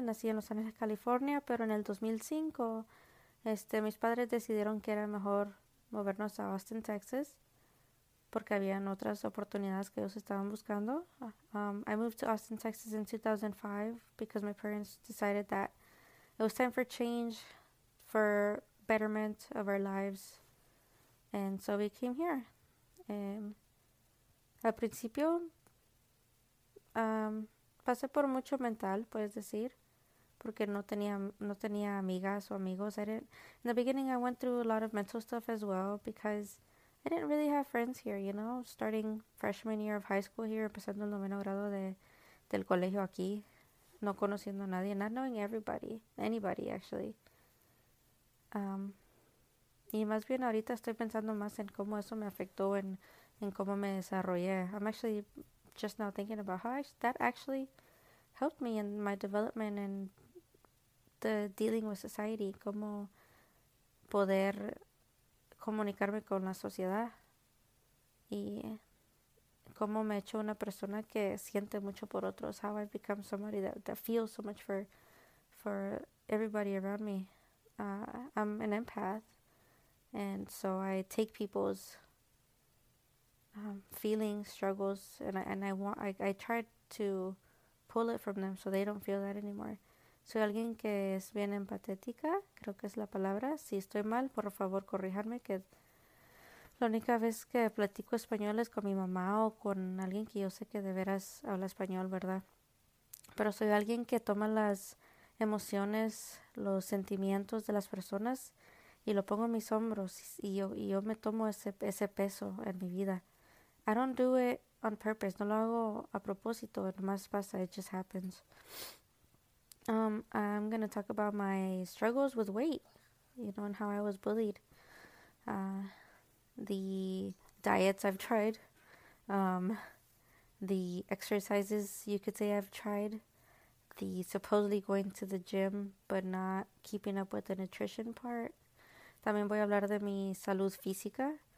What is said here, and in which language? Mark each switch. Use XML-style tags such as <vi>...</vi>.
<es>Nací en Los Ángeles, California, pero en el 2005, mis padres decidieron que era mejor movernos a Austin, Texas, porque habían otras oportunidades que ellos estaban buscando.</es> <en>I moved to Austin, Texas in 2005 because my parents decided that it was time for change, for betterment of our lives. And so we came here.</en> <es>Al principio, pasé por mucho mental, puedes decir, porque no tenía amigas o amigos.</es> <en>In the beginning, I went through a lot of mental stuff as well because I didn't really have friends here, you know, starting freshman year of high school here,</en> <es>empezando el noveno grado del colegio aquí, no conociendo a nadie,</es> <en>not knowing anybody actually.</en> <es>Y más bien ahorita estoy pensando más en cómo eso me afectó en cómo me desarrollé.</es> <en>I'm actually just now thinking about how that actually helped me in my development and the dealing with society,</en> <es>cómo poder comunicarme con la sociedad y cómo me he hecho una persona que siente mucho por otros,</es> <en>how I've become somebody that feels so much for everybody around me. I'm an empath, and so I take people's feelings, struggles, I try to pull it from them so they don't feel that anymore.</en> <es>Soy alguien que es bien empatética, creo que es la palabra. Si estoy mal, por favor, corríjanme, que la única vez que platico español es con mi mamá o con alguien que yo sé que de veras habla español, ¿verdad? Pero soy alguien que toma las emociones, los sentimientos de las personas y lo pongo en mis hombros y yo me tomo ese peso en mi vida.</es> <en>I don't do it on purpose,</en> <es>no lo hago a propósito, nomás pasa,</es> <en>it just happens. I'm going to talk about my struggles with weight, you know, and how I was bullied. The diets I've tried, the exercises you could say I've tried, the supposedly going to the gym but not keeping up with the nutrition part.</en> <es>También voy a hablar de mi salud física.</es>